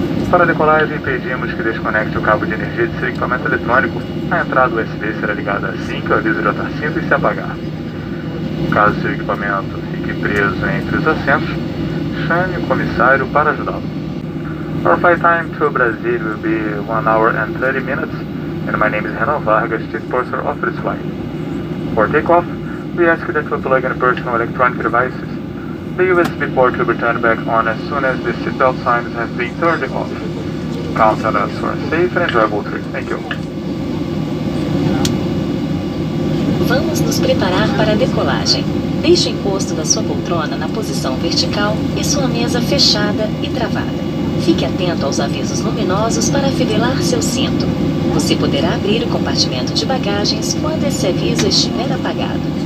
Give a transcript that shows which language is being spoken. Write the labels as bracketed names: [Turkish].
[Portuguese] Para a decolagem, pedimos que desconecte o cabo de energia de seu equipamento eletrônico. A entrada USB será ligada assim que o aviso de atarcinto se apagar. Caso seu equipamento fique preso entre os assentos, chame o comissário para ajudá-lo. [English] Our flight time to Brazil will be 1 hour and 30 minutes, and my name is Renan Vargas, chief purser of this flight. For takeoff, we ask that you plug in personal electronic devices. The USB port will be turned back on as soon as the seatbelt signs have been turned off. Count on us for a safe and enjoyable trip. Thank you. [Portuguese] Vamos nos preparar para a decolagem. Deixe o encosto da sua poltrona na posição vertical e sua mesa fechada e travada. Fique atento aos avisos luminosos para afivelar seu cinto. Você poderá abrir o compartimento de bagagens quando esse aviso estiver apagado.